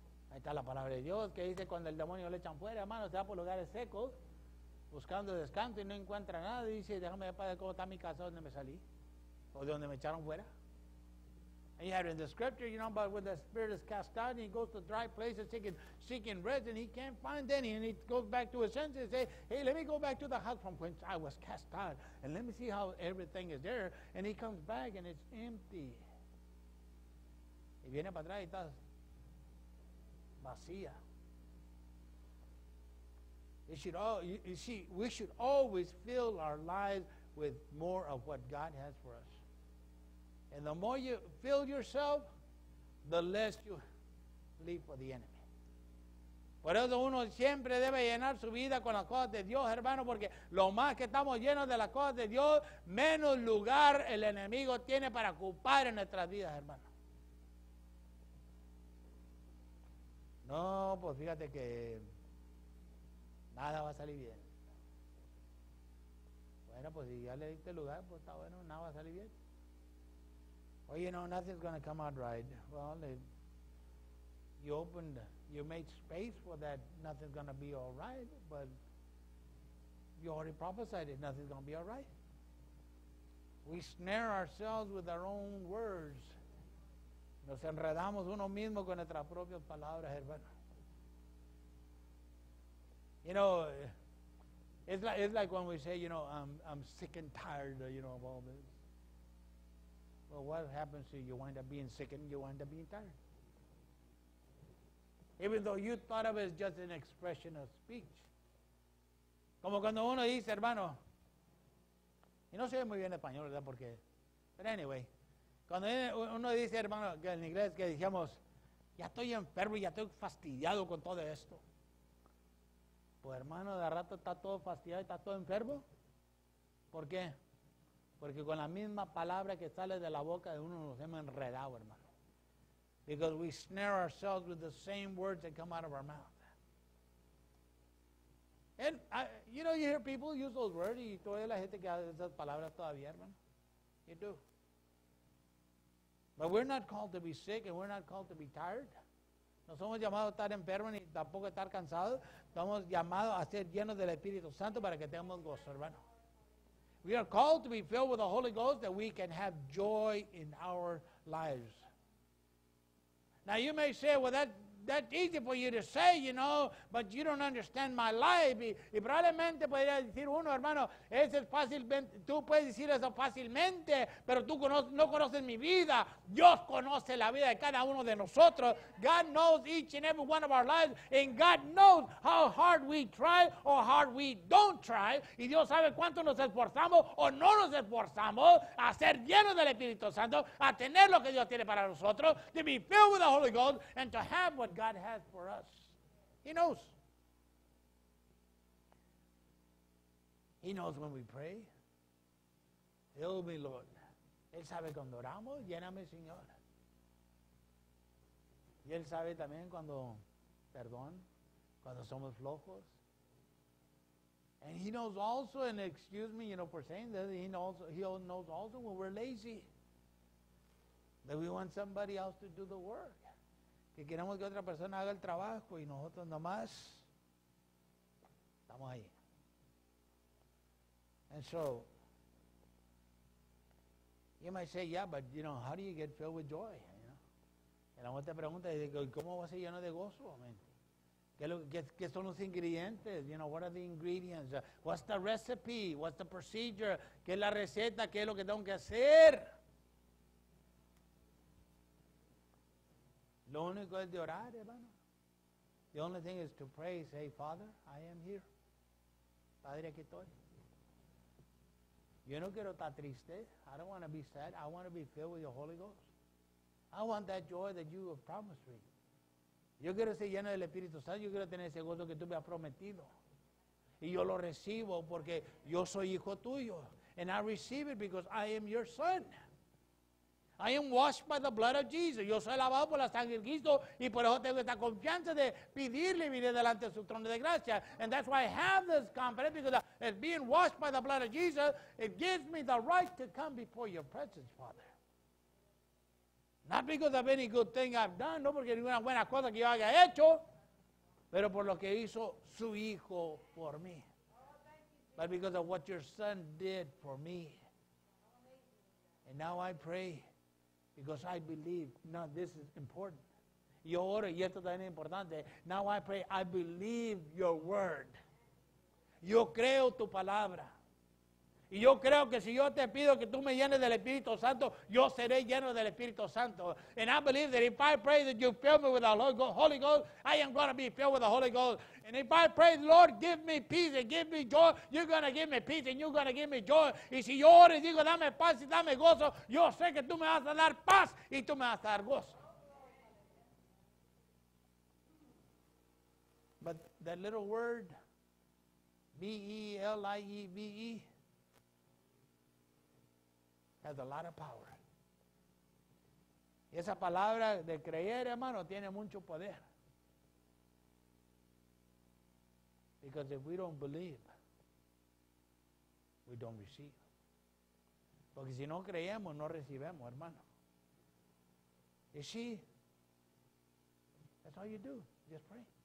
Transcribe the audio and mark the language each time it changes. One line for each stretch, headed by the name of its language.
Spanish: Ahí está la palabra de Dios que dice cuando el demonio le echan fuera, hermano, se va por lugares secos. Buscando descanso y no encuentra nada. Dice, déjame ver para cómo está mi casa donde me salí. O de donde me echaron fuera.
English: And you have in the scripture, you know, but when the spirit is cast out, he goes to dry places seeking rest, and he can't find any. And he goes back to his senses and say, hey, let me go back to the house from whence I was cast out. And let me see how everything is there. And he comes back and it's empty. Y viene para atrás y está vacía. You should all, you see, we should always fill our lives with more of what God has for us. And the more you fill yourself, the less you leave for the enemy.
Spanish: Por eso uno siempre debe llenar su vida con las cosas de Dios, hermano, porque lo más que estamos llenos de las cosas de Dios, menos lugar el enemigo tiene para ocupar en nuestras vidas, hermano. No, pues fíjate que nada va a salir bien. Bueno, pues si ya le diste lugar, pues está bueno, nada va a salir bien.
English: Well, you know, nothing's going to come out right. Well, you made space for that, nothing's going to be all right, but you already prophesied it, nothing's going to be all right. We snare ourselves with our own words.
Spanish: Nos enredamos uno mismo con nuestras propias palabras, hermano.
English: You know, it's like when we say, you know, I'm sick and tired, you know, of all this. Well, what happens to you? You wind up being sick and you wind up being tired. Even though you thought of it as just an expression of speech.
Spanish: Como cuando uno dice, hermano, y no se ve muy bien español, ¿verdad? Porque,
English: but anyway,
Spanish: cuando uno dice, hermano, que en inglés que decíamos, ya estoy enfermo y ya estoy fastidiado con todo esto. Pues hermano, de rato está todo fastidiado y está todo enfermo. ¿Por qué? Porque con la misma palabra que sale de la boca de uno nos hemos enredado, hermano.
English: Because we snare ourselves with the same words that come out of our mouth. And you know, you hear people use those words
Spanish: y todavía la gente que hace esas palabras todavía, hermano.
English: You do. But we're not called to be sick and we're not called to be tired.
Spanish: No somos llamados a estar enfermos ni tampoco a estar cansados. Estamos llamados a ser llenos del Espíritu Santo para que tengamos gozo, hermano.
English: We are called to be filled with the Holy Ghost that we can have joy in our lives. Now you may say, well, that's easy for you to say, you know, but you don't understand my life.
Spanish: Y probablemente podría decir uno, hermano, eso es fácilmente, tú puedes decir eso fácilmente, pero tú no conoces mi vida. Dios conoce la vida de cada uno de nosotros.
English: God knows each and every one of our lives, and God knows how hard we try or hard we don't try.
Spanish: Y Dios sabe cuánto nos esforzamos o no nos esforzamos a ser llenos del Espíritu Santo, a tener lo que Dios tiene para nosotros,
English: to be filled with the Holy Ghost, and to have what God has for us. He knows. He knows when we pray. Fill me, Lord.
Spanish: Él sabe cuando oramos, lléname, Señor. Y Él sabe también cuando, perdón, cuando somos flojos.
English: And He knows also, and excuse me, you know, for saying this, He knows also when we're lazy, that we want somebody else to do the work.
Spanish: Que queremos que otra persona haga el trabajo y nosotros nomás estamos ahí.
English: And so, you might say, yeah, but you know, how do you get filled with joy? You know?
Spanish: Y la otra pregunta es, ¿cómo vas a ser lleno de gozo? ¿Qué son los ingredientes?
English: You know, what are the ingredients? What's the recipe? What's the procedure?
Spanish: ¿Qué es la receta? ¿Qué es lo que tengo que hacer? Lo único es de orar, hermano.
English: The only thing is to pray, say, Father, I am here.
Spanish: Padre, aquí estoy. Yo no quiero estar triste.
English: I don't want to be sad. I want to be filled with the Holy Ghost. I want that joy that you have promised me.
Spanish: Yo quiero ser lleno del Espíritu Santo. Yo quiero tener ese gozo que tú me has prometido. Y yo lo recibo porque yo soy hijo tuyo.
English: And I receive it because I am your son. I am washed by the blood of Jesus.
Spanish: Yo soy lavado por la sangre de Cristo y por eso tengo esta confianza de pedirle y venir delante de su trono de gracia.
English: And that's why I have this confidence because as being washed by the blood of Jesus, it gives me the right to come before your presence, Father. Not because of any good thing I've done,
Spanish: no porque ninguna buena cosa que yo haya hecho, pero por lo que hizo su hijo por mí.
English: But because of what your son did for me. And now I pray. Because I believe, now this is important.
Spanish: Yo oro, y esto también es importante.
English: Now I pray, I believe your word.
Spanish: Yo creo tu palabra. Y yo creo que si yo te pido que tú me llenes del Espíritu Santo, yo seré lleno del Espíritu Santo.
English: And I believe that if I pray that you fill me with the Holy Ghost, I am going to be filled with the Holy Ghost. And if I pray, Lord, give me peace and give me joy, you're going to give me peace and you're going to give me joy.
Spanish: Y si yo oro y digo, dame paz y dame gozo, yo sé que tú me vas a dar paz y tú me vas a dar gozo.
English: But that little word, B-E-L-I-E-V-E, has a lot of power.
Spanish: Y esa palabra de creer, hermano, tiene mucho poder.
English: Because if we don't believe, we don't receive.
Spanish: Porque si no creemos, no recibemos, hermano.
English: You see, that's all you do, just pray.